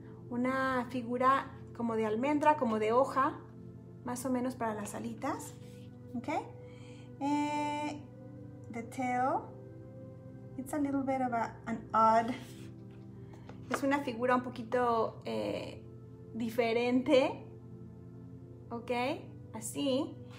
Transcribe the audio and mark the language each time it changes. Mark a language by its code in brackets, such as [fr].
[es] Una figura como de almendra, como de hoja. Más o menos para las alitas. [en] Okay, the tail, it's a little bit of an odd. [es] Es una figura un poquito diferente, okay, así.